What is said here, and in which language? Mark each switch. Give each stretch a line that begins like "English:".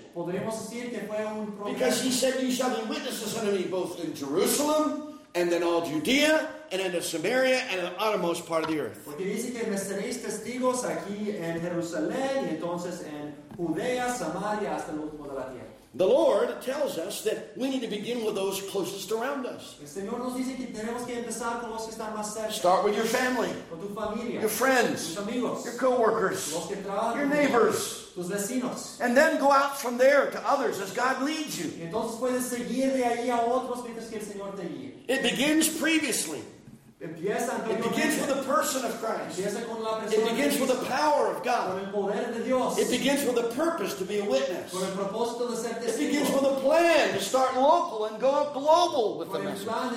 English: Because He said, "You shall be witnesses unto me both in Jerusalem and then all Judea, and into Samaria and the uttermost part of the earth."
Spanish: Porque dice que me seréis testigos aquí en Jerusalén y entonces en Judea, Samaria hasta el último de la tierra.
English: The Lord tells us that we need to begin with those closest around us.
Spanish: El Señor nos dice que tenemos que empezar con los que están más cerca.
English: Start with your family.
Spanish: Con tu familia.
English: Your friends.
Spanish: Tus amigos.
English: Your co-workers.
Spanish: Los que trabajan.
English: Your neighbors.
Spanish: Tus vecinos.
English: And then go out from there to others as God leads you.
Spanish: Y entonces puedes seguir de ahí a otros mientras que el Señor te guíe.
English: It begins previously. It begins with the person of Christ. It begins with the power of God. It begins with a purpose to be a witness. It begins with a plan to start local and go global with the message.